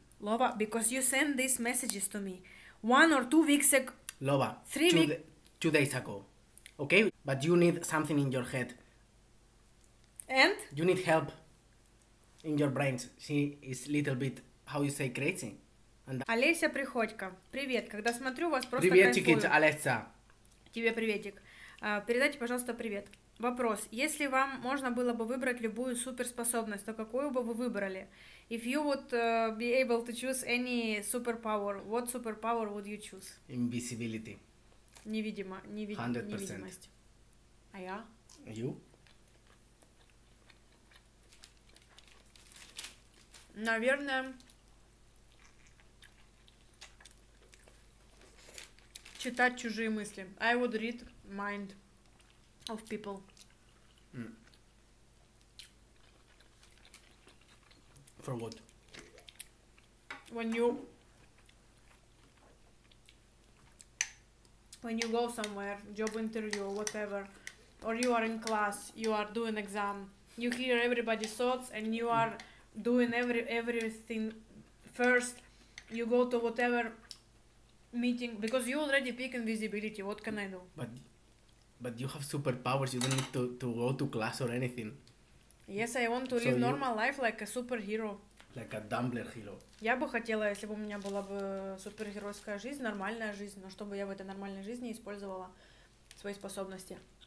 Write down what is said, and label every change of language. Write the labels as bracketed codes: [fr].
[en] Loba, because you send these messages to me 1 or 2 weeks ago. Loba, 3 weeks... 2 days ago. Okay? But you need something in your head. And? You need help in your brain. She is a little bit, how you say, crazy. And [ru] Олеся Приходько. Привет. Когда смотрю вас, просто привет, кайфую. Приветики, Олеся. Тебе приветик. Передайте, пожалуйста, привет. Вопрос. Если вам можно было бы выбрать любую суперспособность, то какую бы вы выбрали? [en] If you would be able to choose any superpower, what superpower would you choose? Invisibility. [ru] Невидимо. Невид... 100%. Невидимость. А я? [en] You? [ru] Наверное... Читать чужие мысли. [en] I would read mind of people. For what? When you go somewhere, job interview, whatever, or you are in class, you are doing exam, you hear everybody's thoughts and you are doing everything first, you go to whatever meeting because you already pick invisibility. What can I do? But you have superpowers, you don't need to go to class or anything. Yes, I want to so live normal life like a superhero. Like a Dumbler hero. [ru] Я бы хотела, если бы у меня была бы супергеройская жизнь, нормальная жизнь, но чтобы я в этой нормальной жизни использовала свои способности.